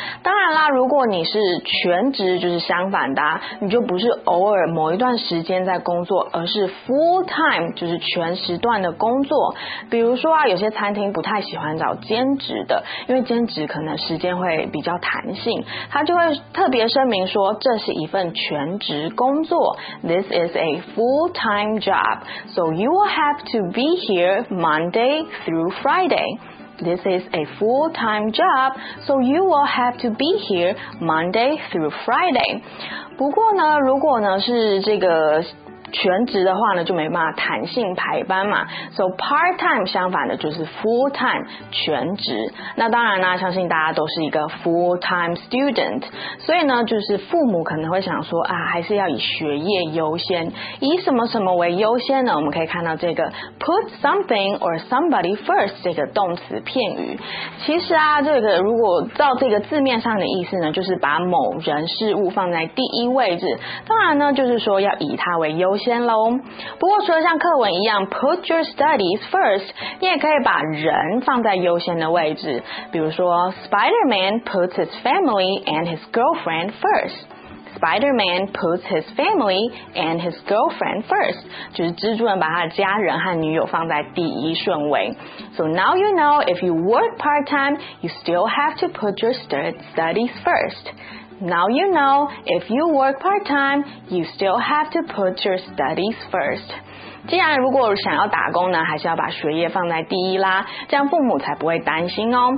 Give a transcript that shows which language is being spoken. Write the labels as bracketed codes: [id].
[zh] 当然啦，如果你是全职就是相反的、啊、你就不是偶尔某一段时间在工作，而是 full-time 就是全时段的工作。比如说啊，有些餐厅不太喜欢找兼职的，因为兼职可能时间会比较弹性，他就会特别声明说这是一份全职工作。 [en] This is a full-time job, so you will have to be here Monday through Friday. This is a full-time job, so you will have to be here Monday through Friday. [zh] 不过呢，如果呢是这个全职的话呢，就没办法弹性排班嘛。 So part-time 相反的就是 full-time 全职。那当然呢，相信大家都是一个 full-time student， 所以呢，就是父母可能会想说啊，还是要以学业优先。以什么什么为优先呢？我们可以看到这个 [en] put something or somebody first [zh] 这个动词片语。其实啊，这个如果照这个字面上的意思呢，就是把某人事物放在第一位置。当然呢，就是说要以他为优先咯。不过除了像课文一样 [en] put your studies first， [zh] 你也可以把人放在优先的位置，比如说 [en] Spider-Man puts his family and his girlfriend first。 Spider-Man puts his family and his girlfriend first. [zh] 就是蜘蛛人把他的家人和女友放在第一顺位。 [en] So now you know, if you work part-time, you still have to put your studies first. Now you know, if you work part-time, you still have to put your studies first. [zh] 既然如果想要打工呢，还是要把学业放在第一啦，这样父母才不会担心哦。